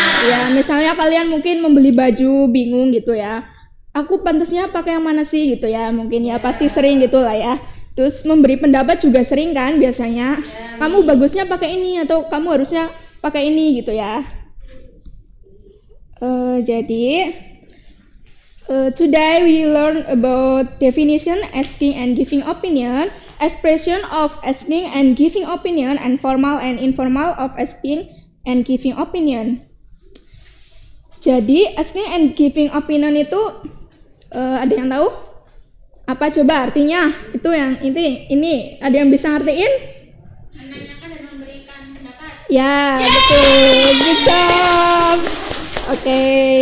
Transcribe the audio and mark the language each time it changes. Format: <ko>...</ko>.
<id>Ya, misalnya kalian mungkin membeli baju bingung gitu ya. Aku pantasnya pakai yang mana sih gitu ya, mungkin ya pasti sering gitu lah ya. Terus memberi pendapat juga sering kan biasanya. Kamu bagusnya pakai ini atau kamu harusnya pakai ini gitu ya. Jadi</id> <en>today we learn about definition asking and giving opinion, expression of asking and giving opinion, and formal and informal of asking and giving opinion.</en> <id>Jadi</id> <en>asking and giving opinion</en> <id>itu ada yang tahu? Apa coba artinya? Itu yang ini ada yang bisa ngertiin? Menanyakan dan memberikan pendapat. Ya, yeah, betul.</id> <en>Good job.</en> <id>Oke.</id>